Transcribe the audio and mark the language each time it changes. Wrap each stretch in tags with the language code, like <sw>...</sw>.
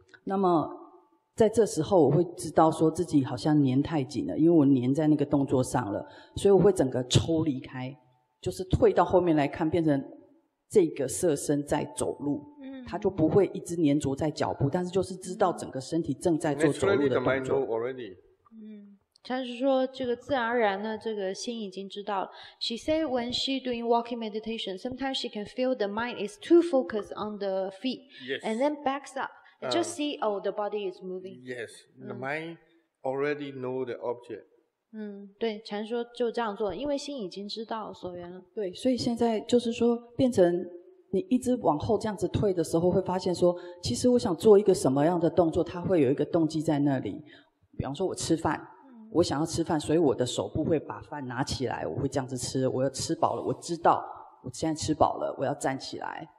<zh>那么在这时候我会知道说自己好像黏太紧了，因为我黏在那个动作上了，所以我会整个抽离开，就是退到后面来看，变成这个色身在走路，他就不会一直黏着在脚步，但是就是知道整个身体正在做走路的动作。</zh> <en>Naturally,</en> <zh>禅师说这个自然而然呢，这个心已经知道了。</zh> <en>She said when she doing walking meditation, sometimes she can feel the mind is too focused on the feet, yes, and then backs up and just see, oh, the body is moving. Yes, the mind already know the object.</en> <zh>对，禅师说就这样做，因为心已经知道所缘了。对，所以现在就是说变成你一直往后这样子退的时候，会发现说其实我想做一个什么样的动作，它会有一个动机在那里。比方说我吃饭，我想要吃饭，所以我的手部会把饭拿起来，我会这样子吃，我要吃饱了，我知道我现在吃饱了，我要站起来。</zh>